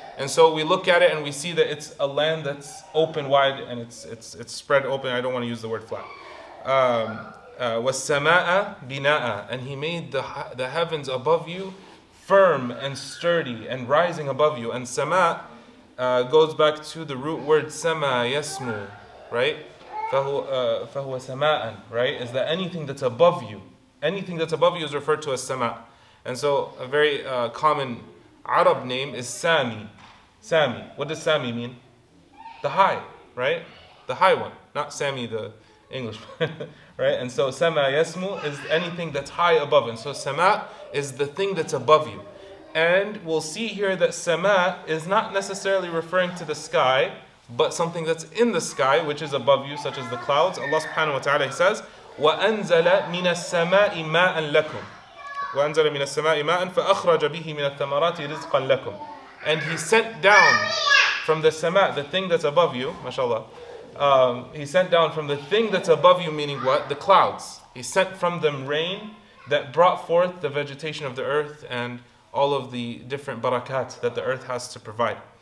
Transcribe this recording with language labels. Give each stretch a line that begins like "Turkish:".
English: And so we look at it and we see that it's a land that's open, wide, and it's spread open. I don't want to use the word flat.
Arabic: وَالسَّمَاءَ بِنَاءَ.
English: And he made the heavens above you firm and sturdy and rising above you. And sama goes back to the root word sama, yasmu, right?
Arabic: فَهُوَ سَمَاءً, right?
English: Is that anything that's above you. Anything that's above you is referred to as sama. And so a very common Arab name is Sami. Sami. What does Sami mean? The high, right? The high one. Not Sami the English. Right? And so Sama Yasmu is anything that's high above. And so Sama is the thing that's above you. And we'll see here that Sama is not necessarily referring to the sky, but something that's in the sky, which is above you, such as the clouds. Allah subhanahu wa ta'ala says,
Arabic: وَأَنزَلَ مِنَ السَّمَاءِ مَاءً لَكُمْ وَأَنزَلَ مِنَ السَّمَاءِ مَاءً فَأَخْرَجَ بِهِ مِنَ الثَّمَرَاتِ رِزْقًا لَكُمْ.
English: And he sent down from the sama, the thing that's above you, mashallah, he sent down from the thing that's above you, meaning what? The clouds. He sent from them rain that brought forth the vegetation of the earth and all of the different barakat that the earth has to provide.